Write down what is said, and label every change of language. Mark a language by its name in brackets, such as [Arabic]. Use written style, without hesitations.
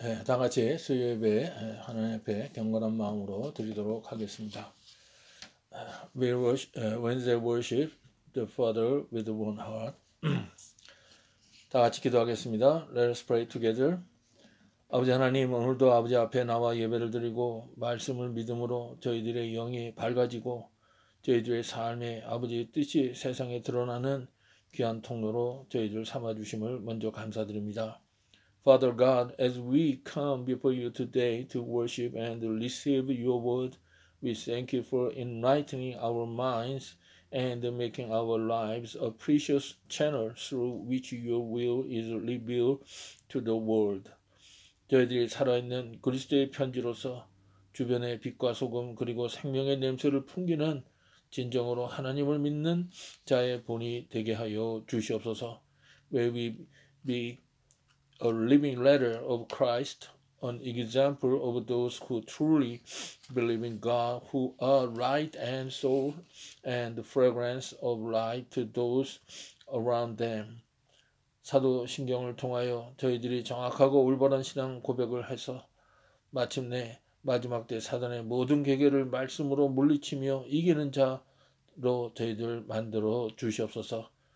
[Korean] 예, 다 같이 수요예배 하나님 앞에 경건한 마음으로 드리도록 하겠습니다. [English] We worship, Wednesday worship the Father with one heart. [Korean] 다 같이 기도하겠습니다. [English] Let us pray together. [Korean] 아버지 하나님, 오늘도 아버지 앞에 나와 예배를 드리고 말씀을 믿음으로 저희들의 영이 밝아지고 저희들의 삶에 아버지의 뜻이 세상에 드러나는 귀한 통로로 저희들 삼아주심을 먼저 감사드립니다. [English] Father God, as we come before you today to worship and receive your word, we thank you for enlightening our minds and making our lives a precious channel through which your will is revealed to the world. [Korean] 저희들이 살아있는 그리스도의 편지로서 주변의 빛과 소금 그리고 생명의 냄새를 풍기는 진정으로 하나님을 믿는 자의 본이 되게 하여 주시옵소서. [English] May we be a living letter of Christ, an example of those who truly believe in God, who are light and soul and the fragrance of light to those around them. [Korean] 사도신경을 통하여 저희들이 정확하고 올바른 신앙 고백을 해서 마침내 마지막 때 사단의 모든 계계를 말씀으로 물리치며 이기는 자로 저희들 만들어 주시옵소서.